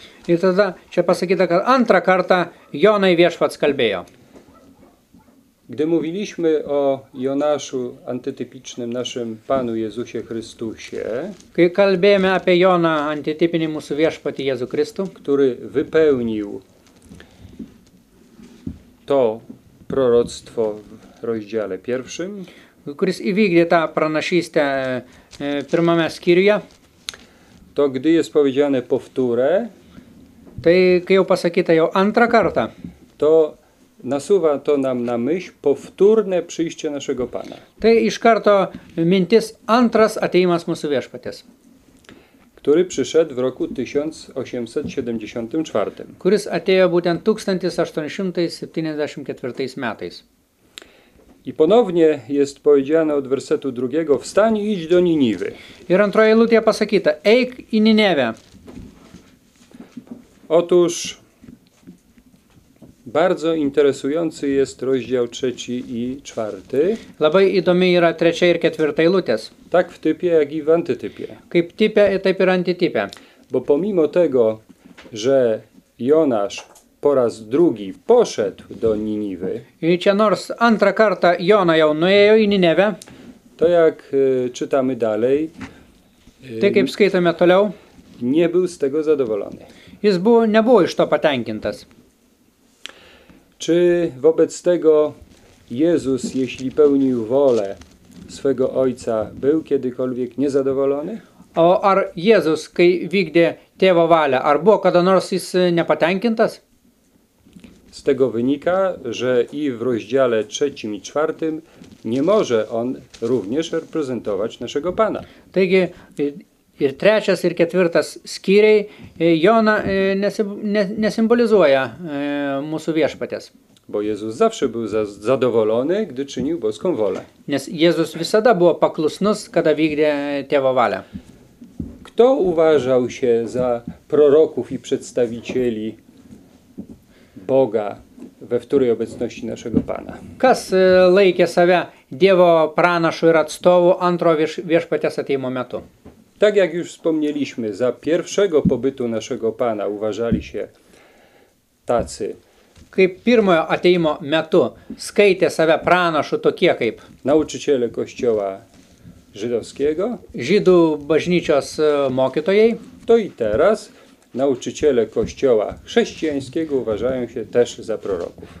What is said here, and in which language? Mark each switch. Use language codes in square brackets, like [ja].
[lt] I tada čia pasakyta, kad antrą kartą Jonai viešpats kalbėjo. [pl] Gdy mówiliśmy o Jonaszu antytypicznym naszym Panu Jezusie Chrystusie, [lt] kai kalbėjome apie Joną antytypinį mūsų viešpatį Jėzų Kristų, [pl] który wypełnił to proroctwo w rozdziale pierwszym, [lt] kuris įvykdė tą pranašystę pirmame skyriuje, [pl] to gdy jest powiedziane powtórę, [lt] tai kai jau pasakyta jau antrą kartą, [pl] to nasuwa to nam na myśl powtórne przyjście naszego Pana. [lt] Tai iš karto mintis antras ateimas mūsų viešpaties. [pl] Który przyszedł w roku 1874. [lt] Kuris atėjo būtent 1874 metais. [pl] I ponownie jest powiedziane od wersetu drugiego, wstań i idź do Niniwy. [lt] Ir antroje eilutėje pasakyta, eik į Ninevę. [pl] Otóż bardzo interesujący jest rozdział 3 i 4. [lt] Labai įdomi yra 3 ir 4 eilutės. [pl] Tak w typie, jak i w antytypie. [lt] Kaip type, taip ir antytype. [pl] Bo pomimo tego, że Jonasz po raz drugi poszedł do Niniwy, [lt] i čia nors antrą kartą Jona jau nuėjo į Ninevę, [pl] to jak czytamy dalej, [lt] tai kaip skaitome toliau, [pl] nie był z tego zadowolony. [lt] Jis nebuvo iš to patenkintas. [pl] Czy wobec tego Jezus, jeśli pełnił wolę swego Ojca, był kiedykolwiek niezadowolony? [lt] O ar Jezus, kai vykdė tėvo valią, ar buvo kada nors jis nepatenkintas? [pl] Z tego wynika, że i w rozdziale 3 i 4 nie może on również reprezentować naszego Pana. [lt] Taigi ir trečias ir ketvirtas skyriai Joną nesimbolizuoja mūsų viešpaties. [pl] Bo Jezus zawsze był zadowolony, gdy czynił boską wolę. [lt] Nes Jezus visada buvo paklusnus, kada vykdė tėvo valią. [pl] Kto uważał się za proroków i przedstawicieli Boga we wtórej obecności naszego Pana? [lt] Kas laikė save Dievo pranašu ir atstovu antro viešpaties ateimo metu? [pl] Tak jak już wspomnieliśmy, za pierwszego pobytu naszego Pana uważali się tacy. [lt] Kaip pirmojo ateimo metu skaitė save pranašu tokie kaip? [pl] Nauczyciele kościoła żydowskiego. [lt] Żydų bažnyčios mokytojai. [pl] To i teraz nauczyciele kościoła chrześcijańskiego uważają się też za proroków.